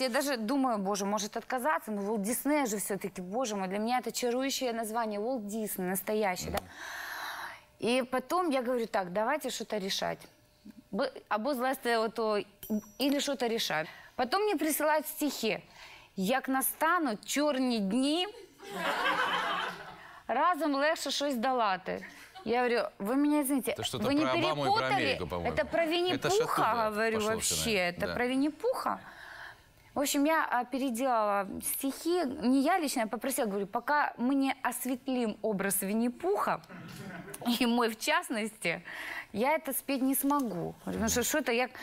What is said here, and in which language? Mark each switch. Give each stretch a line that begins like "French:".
Russian: Я даже думаю, боже, может отказаться. Но Walt Disney же все-таки, боже мой, для меня это чарующее название. Walt Disney, настоящий, да? И потом я говорю, так, давайте что-то решать. Або злостя, то или что-то решать. Потом мне присылают стихи.
Ukrainian: Як настанут черні дні, разом легше щось долати.
Russian: Я говорю, вы меня извините, вы не перепутали? Это про Винни-Пуха, говорю, вообще. Это про Винни-Пуха. В общем, я переделала стихи. Не я лично, я попросила, говорю, пока мы не осветлим образ Винни-Пуха, и мой в частности, я это спеть не смогу. Потому что что-то я...